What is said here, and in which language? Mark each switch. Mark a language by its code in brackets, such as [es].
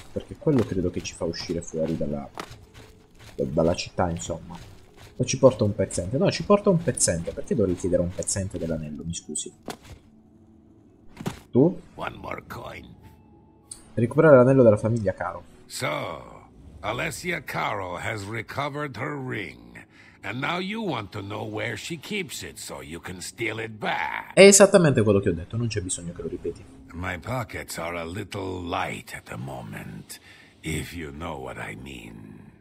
[it] Perché quello credo che ci fa uscire fuori dalla città, insomma. O ci porta un pezzente? No, ci porta un pezzente. Perché dovrei chiedere un pezzente dell'anello? Mi scusi. Tu? [en] One more coin. [it] Recuperare l'anello della famiglia Caro. [en] So, Alessia Caro has recovered her ring, and now you want to know where she keeps it so you can steal it [it] È [en] back. [it] esattamente quello che ho detto, non c'è bisogno che lo ripeti. [en] My pockets are a little light at the moment, if you know what I mean.